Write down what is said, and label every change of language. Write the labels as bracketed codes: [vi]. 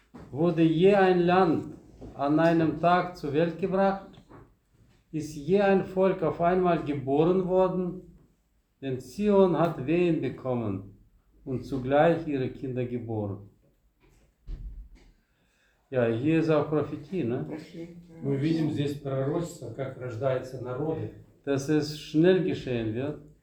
[de] Wurde je ein Land an einem Tag zur Welt gebracht? Ist je ein Volk auf einmal geboren worden? Denn Zion hat Wehen bekommen und zugleich ihre Kinder geboren. Ja, hier ist auch Prophetie, ne? [ru] Мы видим здесь пророчество, как рождаются народы. [de] Das ist schnell geschehen wird.